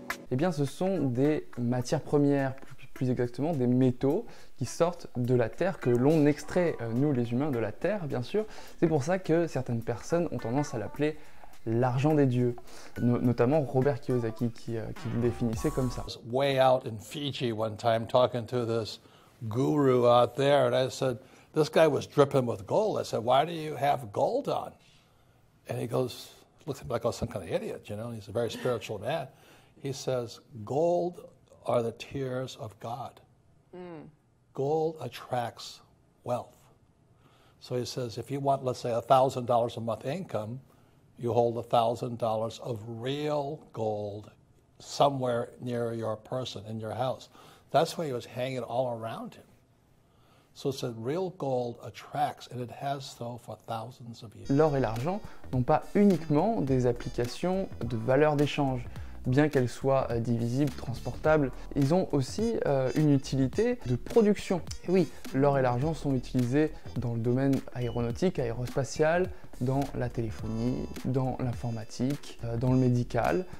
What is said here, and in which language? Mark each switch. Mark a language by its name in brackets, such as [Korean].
[French] Eh bien, ce sont des matières premières, plus exactement des métaux qui sortent de la terre, que l'on extrait, nous les humains, de la terre, bien sûr. C'est pour ça que certaines personnes ont tendance à l'appeler l'argent des dieux, notamment Robert Kiyosaki qui le définissait comme ça. [English] I was way out in Fiji one time talking to this guru out there, and I said, this guy was dripping with gold. I said, why do you have gold on? And he goes, looks at me like I was some kind of idiot, you know, he's a very spiritual man. He says, gold are the tears of God. Gold attracts wealth. So he says, if you want, let's say, $1,000 a month income, you hold $1,000 of real gold somewhere near your person, in your house. That's why he was hanging all around him. So it said, real gold attracts, and it has so for thousands of years. [French] L'or et l'argent n'ont pas uniquement des applications de valeur d'échange. Bien qu'elles soient divisibles, transportables, ils ont aussi une utilité de production. Et oui, l'or et l'argent sont utilisés dans le domaine aéronautique, aérospatial, dans la téléphonie, dans l'informatique, dans le médical.